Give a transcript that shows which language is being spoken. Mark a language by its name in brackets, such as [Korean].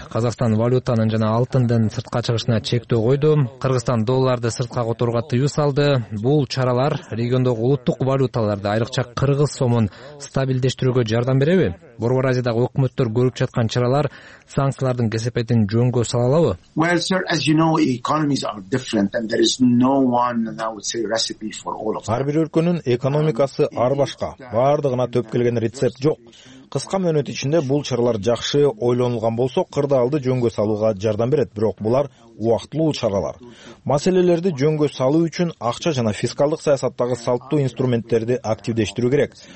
[Kyrgyz] Казакстан валютанын жана алтындын сыртка чыгышына чектөө койду. Кыргызстан долларды сыртка которууга тыюу салды. Бул чаралар региондогу улуттук валюталарды, айрыкча кыргыз сомун стабилдештирүүгө жардам береби? Борбор Азиядагы өкмөттөр көрүп жаткан чаралар санкциялардын кесепетин жөнгө сала алабы? [English] Well, sir, as you know, economies are different and there is no one, I would say, recipe for all of them. [Kyrgyz] Ар бир өлкөнүн экономикасы ар башка. Бардыгына төпкөлгөн рецепт жок. Кыска мөөнөт ичинде бул чаралар жакшы ойлонулган болсо, кырдаалды жөнгө салууга жардам берет, бирок булар убактылуу чаралар. Маселелерди жөнгө салуу үчүн акча жана фискалдык саясаттагы салттуу инструменттерди активдештирүү керек.